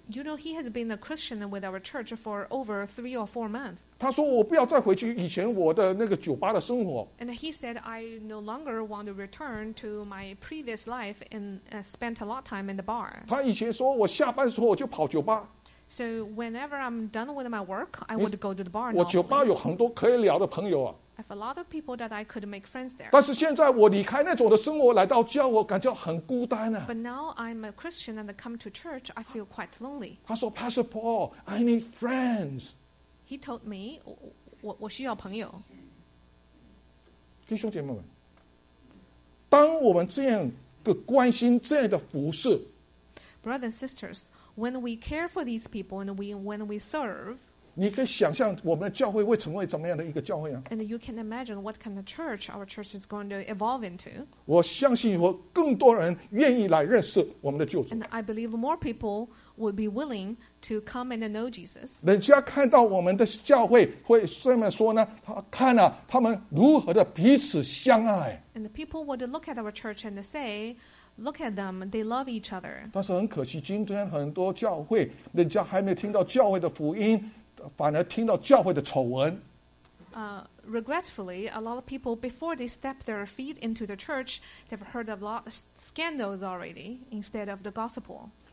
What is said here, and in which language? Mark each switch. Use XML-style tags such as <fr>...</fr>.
<en>You know he has been a Christian with our church for over 3 or 4 months.</en> <zh>他说我不要再回去以前我的那个酒吧的生活。</zh> <en>And he said, "I no longer want to return to my previous life and spent a lot of time in the bar."</en> <zh>他以前说我下班的时候我就跑酒吧。</zh> <en>So whenever I'm done with my work, I would go to the bar.</en> <zh>我酒吧有很多可以聊的朋友啊。</zh> <en>I have a lot of people that I could make friends there.</en> <zh>但是现在我离开那种的生活来到教，我感觉很孤单啊。</zh> <en>But now I'm a Christian and I come to church, I feel quite lonely.</en> <zh>他说,</zh> <en>Pastor Paul, I need friends. He told me,</en> <zh>我需要朋友。弟兄姐妹们, 当我们这样的关心，这样的服侍。</zh> <en>Brothers and sisters, when we care for these people and when we serve,</en> <zh>你可以想象我们的教会会成为怎么样的一个教会啊？</zh> <en>And you can imagine what kind of church our church is going to evolve into.</en> <zh>我相信有更多人愿意来认识我们的救主。</zh> <en>And I believe more people would be willing to come and know Jesus.</en> <zh>人家看到我们的教会会这么说呢，他看啊，他们如何的彼此相爱。</zh> <en>And the people would look at our church and say, Look at them, they love each other.</en> <zh>但是很可惜，今天很多教会，人家还没有听到教会的福音。反而听到教会的丑闻。</zh> <en>Regretfully, a lot of people, before they step their feet into the church, they've heard a lot of scandals already instead of the gospel.</en>